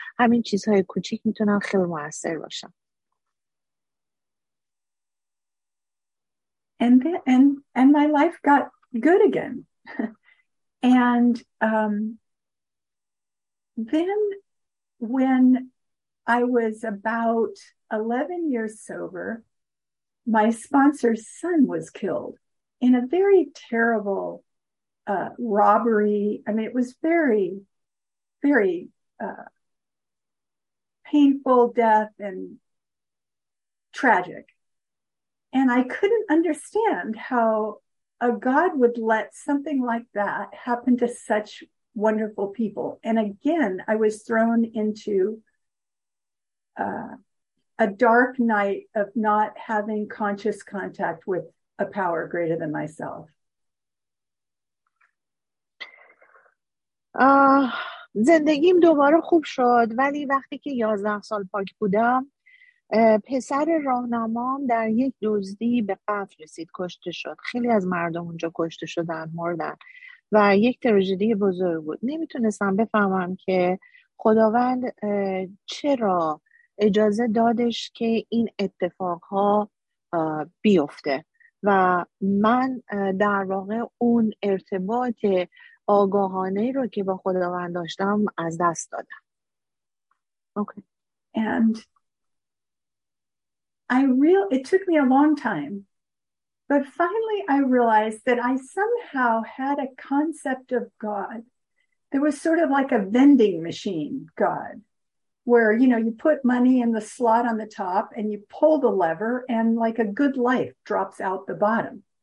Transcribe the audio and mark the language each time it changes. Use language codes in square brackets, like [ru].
[fa] همین چیزهای کوچیک میتونن خیلی موثر باشن. [en] And then, and my life got good again. And then when I was about 11 years sober, my sponsor's son was killed in a very terrible robbery. I mean, it was very, very painful death and tragic. And I couldn't understand how a God would let something like that happen to such wonderful people. And again, I was thrown into a dark night of not having conscious contact with a power greater than myself. [fa] زندگیم دوباره خوب شد، ولی وقتی که 11 سال پاک بودم، پسر راهنمام در یک دزدی به قتل رسید، کشته شد. خیلی از مردم اونجا کشته شدن، مردن و یک تراژدی بزرگ بود. نمیتونستم بفهمم که خداوند چرا اجازه دادش که این اتفاقها بیفته و من در واقع اون ارتباط آگاهانه رو که با خداوند داشتم از دست دادم. [en] Okay. And it took me a long time, but finally I realized that I somehow had a concept of God. There was sort of like a vending machine God, where, you know, you put money in the slot on the top and you pull the lever and like a good life drops out the bottom.